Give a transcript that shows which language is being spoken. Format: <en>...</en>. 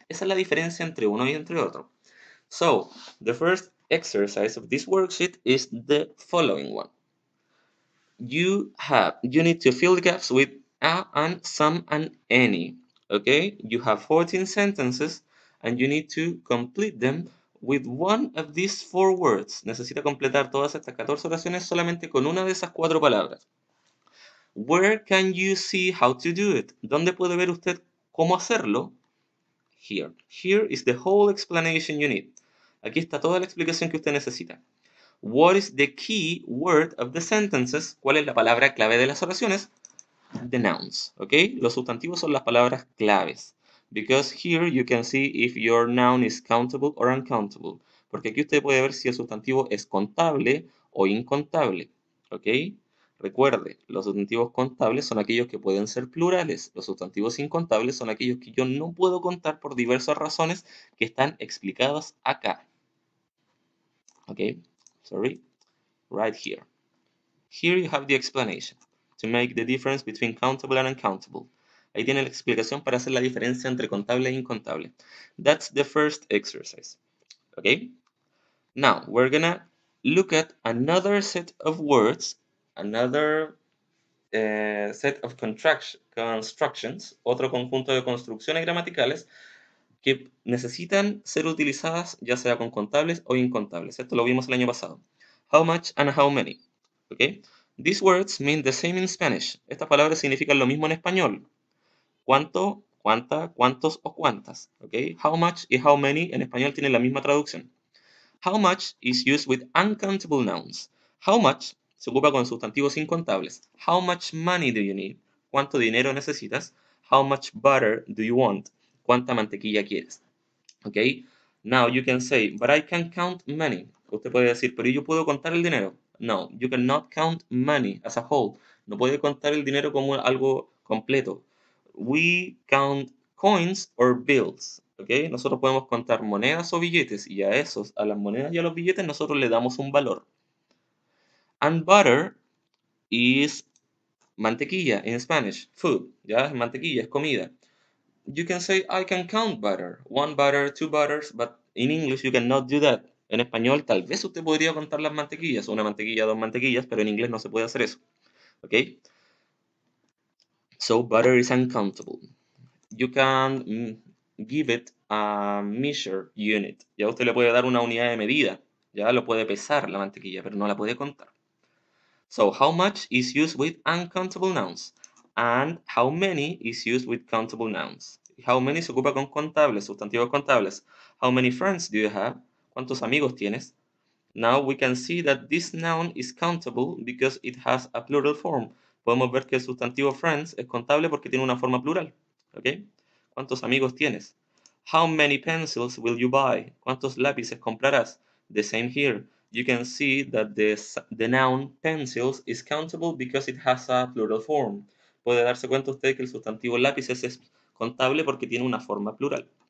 <es>Esa es la diferencia entre uno y entre otro.</es> <en>So, the first exercise of this worksheet is the following one. You need to fill the gaps with a and some and any. Okay? You have 14 sentences and you need to complete them with one of these four words.</en> <es>Necesita completar todas estas 14 oraciones solamente con una de esas cuatro palabras.</es> <en>Where can you see how to do it?</en> <es>¿Dónde puede ver usted cómo hacerlo? Here.</es> <en>Here is the whole explanation you need.</en> <es>Aquí está toda la explicación que usted necesita.</es> <en>What is the key word of the sentences?</en> <es>¿Cuál es la palabra clave de las oraciones?</es> <en>The nouns.</en> <es>¿Ok? Los sustantivos son las palabras claves.</es> <en>Because here you can see if your noun is countable or uncountable.</en> <es>Porque aquí usted puede ver si el sustantivo es contable o incontable. ¿Ok? Recuerde, los sustantivos contables son aquellos que pueden ser plurales. Los sustantivos incontables son aquellos que yo no puedo contar por diversas razones que están explicadas acá.</es> <en>¿Ok? Sorry. Right here. Here you have the explanation to make the difference between countable and uncountable.</en> <es>Ahí tiene la explicación para hacer la diferencia entre contable e incontable.</es> <en>That's the first exercise. Okay? Now, we're gonna look at another set of words, another set of constructions,</en> <es>otro conjunto de construcciones gramaticales que necesitan ser utilizadas ya sea con contables o incontables. Esto lo vimos el año pasado.</es> <en>How much and how many. Okay? These words mean the same in Spanish.</en> <es>Estas palabras significan lo mismo en español. ¿Cuánto, cuánta, cuántos o cuántas? Okay? How much y how many en español tienen la misma traducción. How much is used with uncountable nouns. How much se ocupa con sustantivos incontables.</es> <en>How much money do you need?</en> <es>¿Cuánto dinero necesitas?</es> <en>How much butter do you want?</en> <es>¿Cuánta mantequilla quieres? Okay?</es> <en>Now you can say, but I can count money.</en> <es>Usted puede decir, pero yo puedo contar el dinero.</es> <en>No, you cannot count money as a whole.</en> <es>No puede contar el dinero como algo completo.</es> <en>We count coins or bills,</en> <es>¿ok? Nosotros podemos contar monedas o billetes, y a esos, a las monedas y a los billetes, nosotros le damos un valor.</es> <en>And butter is mantequilla in Spanish, food, ¿ya?</en> <es>Mantequilla es comida.</es> <en>You can say, I can count butter, one butter, two butters, but in English you cannot do that.</en> <es>En español tal vez usted podría contar las mantequillas, una mantequilla, dos mantequillas, pero en inglés no se puede hacer eso, ¿ok?</es> <en>So, butter is uncountable. You can give it a measure unit.</en> <es>Ya usted le puede dar una unidad de medida. Ya lo puede pesar la mantequilla, pero no la puede contar.</es> <en>So, how much is used with uncountable nouns? And how many is used with countable nouns?</en> <es>How many se ocupa con contables, sustantivos contables?</es> <en>How many friends do you have?</en> <es>¿Cuántos amigos tienes?</es> <en>Now, we can see that this noun is countable because it has a plural form.</en> <es>Podemos ver que el sustantivo friends es contable porque tiene una forma plural.</es> <en>¿Okay?</en> <es>¿Cuántos amigos tienes?</es> <en>How many pencils will you buy?</en> <es>¿Cuántos lápices comprarás?</es> <en>The same here. You can see that the noun pencils is countable because it has a plural form.</en> <es>Puede darse cuenta usted que el sustantivo lápices es contable porque tiene una forma plural.</es>